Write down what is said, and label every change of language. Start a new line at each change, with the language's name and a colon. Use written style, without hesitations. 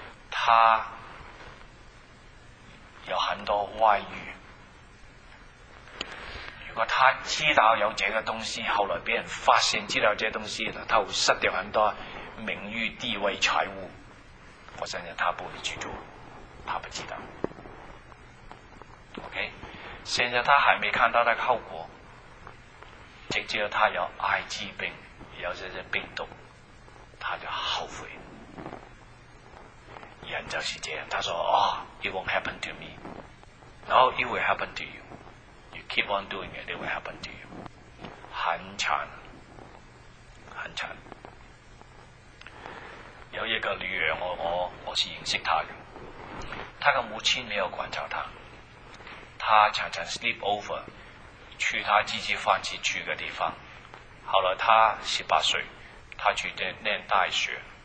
Chinese: 他有很多外遇，如果他知道有这个东西，后来被人发现知道这些东西，他会失掉很多名誉、地位、财物。我相信他不会去做，他不知道。 OK， 现在他还没看到那个后果，直接他有艾滋病，有这些病毒，他就后悔。人就是这样，他说哦
English: it won't happen to me， No it will happen to you， You keep on doing it， It will happen to you。
Chinese: 很惨很惨。有一个女儿，我是认识她的，她的母亲没有关照她，她常常 sleep over 去她自己放弃去的地方。后来她18岁，她去念大学，